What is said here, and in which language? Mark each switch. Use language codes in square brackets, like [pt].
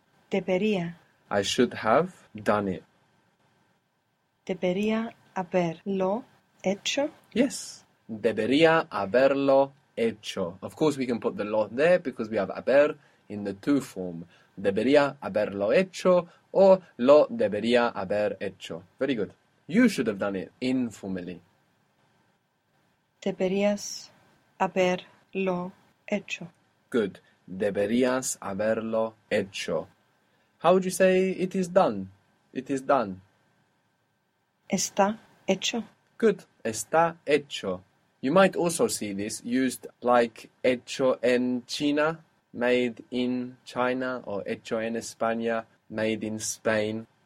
[es] Debería. [en] I should have done it. [es] Debería haberlo hecho? Yes. Debería haberlo hecho. [en] Of course, we can put the lo there because we have haber in the to form. [es] Debería haberlo hecho, or lo debería haber hecho. [en] Very good. You should have done it informally. [es] Deberías haberlo hecho. [en] Good. [es] Deberías haberlo hecho. [en] How would you say it is done? It is done. [es] Está hecho. [en] Good. [es] Está hecho. [en] You might also see this used like [es] hecho en China, [en] made in China, or [es] hecho en España, [en] made in Spain.